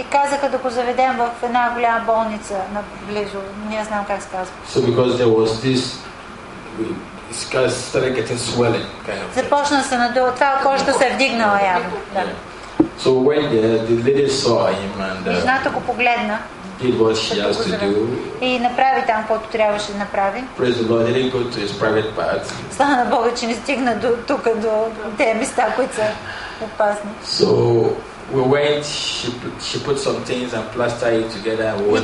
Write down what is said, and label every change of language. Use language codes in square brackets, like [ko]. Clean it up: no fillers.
[bg] И казаха да го заведем в една голяма болница на близо. Не знам как се казва. [en] So because there was this it started getting swelling kind of. [bg] Започна се надува, това кожата се е вдигнала явно. [en] Yeah. So when the lady saw him and [bg] жената го погледна. [en] Did what she has to do. [bg] И направи там каквото трябваше да направи. [en] Praise the Lord, he didn't go to his private parts. [bg] Слава на Бога, че не стигна до тук, до тези места, които са опасни. [en] So we went, she put some things and plastered it together and went.